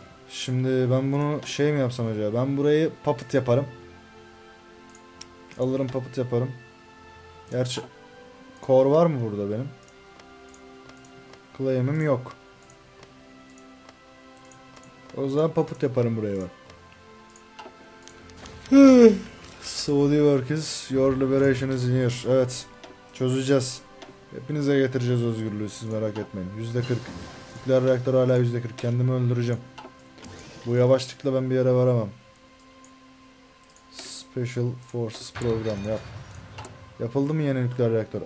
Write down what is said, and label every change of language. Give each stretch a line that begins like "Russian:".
Turkish: Şimdi ben bunu şey mi yapsam acaba? Ben burayı puppet yaparım. Alırım puppet yaparım. Gerçi core var mı burada benim? Claim'im yok. O zaman puppet yaparım burayı bak.
English: Saudi workers, your liberation is near.
Turkish: Evet. Çözeceğiz. Hepinize getireceğiz özgürlüğü. Siz merak etmeyin. %40. Nükleer reaktör hala %40. Kendimi öldüreceğim. Bu yavaşlıkla ben bir yere varamam. Special Forces Program yap. Yapıldı mı yeni nükleer reaktör?